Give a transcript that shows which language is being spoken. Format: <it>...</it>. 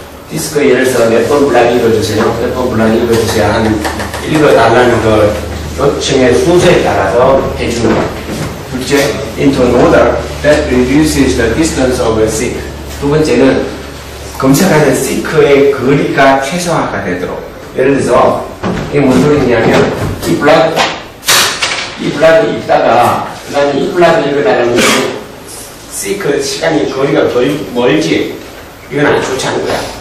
<ko>디스크 예를 들어서 몇 번 블록 읽어주세요. 몇 번 블록 읽어주세요. 한 읽어달라는 그 요청의 순서에 따라서 해주는 거. 둘째,</ko> <en>into an order that reduces the distance of a seek.</en> <ko>두 번째는 검색하는 seek의 거리가 최소화가 되도록. 예를 들어서, 이게 뭔 소리냐면, 이 블락이 있다가, 그 다음에 이 블락을 읽어달라는 게, seek 시간이 거리가 더 멀지, 이건 아주 좋지 않은 거야.</ko>